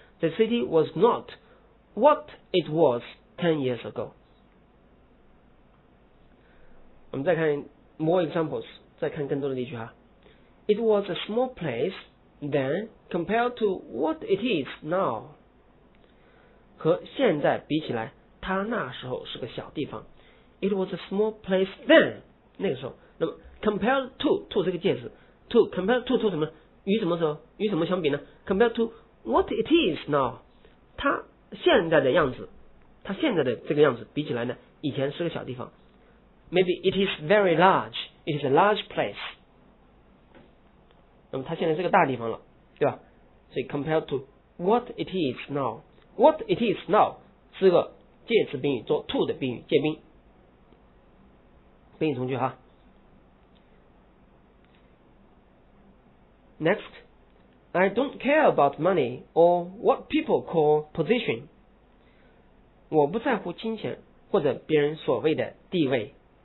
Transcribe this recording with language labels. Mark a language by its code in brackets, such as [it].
[en] The city was not what it was 10 years ago. [zh] 我们再看 [en] more examples, [zh] 再看更多的例句哈。 [en] It was a small place then compared to what it is now. [zh] 和现在比起来他那时候是个小地方。 [en] It was a small place then, [zh] 那个时候。那么 compared to 这个介词 to compared to 什么，与什么时候，与什么相比呢？ [en] compared to what it is now, [zh] 他现在的样子，它现在的这个样子比起来呢，以前是个小地方。 [en] Maybe it is very large. It is a large place. [zh] 那么它现在是个大地方了，对吧？所以 [en] compared to what it is now, [zh] what it is now 是个介词宾语，做 to 的宾语，介宾。宾语从句哈。 [en] Next, I don't care about money or what people call position. [zh] 我不在乎金钱或者别人所谓的地位。